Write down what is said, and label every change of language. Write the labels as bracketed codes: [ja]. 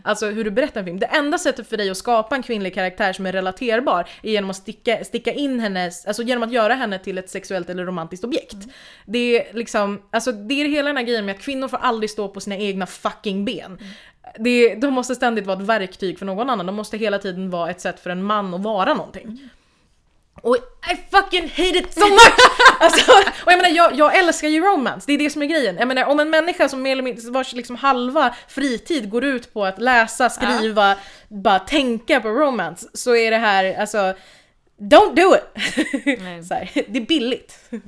[sv] Alltså hur du berättar en film. Det enda sättet för dig att skapa en kvinnlig karaktär som är relaterbar är genom att sticka in henne, alltså genom att göra henne till ett sexuellt eller romantiskt objekt. Mm. Det är liksom, alltså det är hela den här grejen med att kvinnor får aldrig stå på sina egna fucking ben. De måste ständigt vara ett verktyg för någon annan. De måste hela tiden vara ett sätt för en man att vara någonting. Och [en] I fucking hate it so much. [sv] Alltså, och jag menar, jag älskar ju romance. Det är det som är grejen. Jag menar, om en människa som vars liksom halva fritid går ut på att läsa, skriva, bara tänka på romance, så är det här, alltså, [en] don't do it. [sv] Nej. Så här, det är billigt.